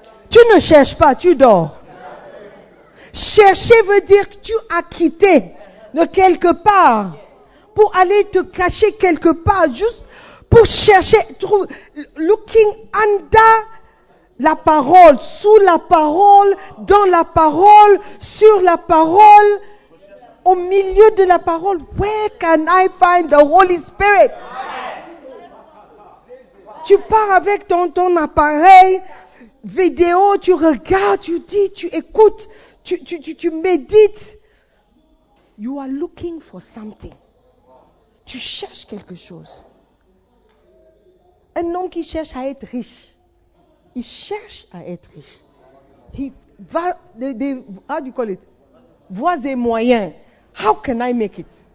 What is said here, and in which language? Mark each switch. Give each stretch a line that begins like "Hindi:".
French: Tu ne cherches pas, tu dors. Chercher veut dire que tu as quitté de quelque part pour aller te cacher quelque part, juste pour chercher,
English: looking under
French: la parole, sous la parole, dans la parole, sur la parole, au milieu de la parole.
English: Where can I find the Holy Spirit?
French: Tu pars avec ton appareil vidéo, tu regardes, tu dis, tu écoutes, tu médites.
English: You are looking for something.
French: Tu cherches quelque chose. Un homme qui cherche à être riche. Il cherche à être riche. Il va
English: how do you call it?
French: Voies et moyens.
English: How can I make it?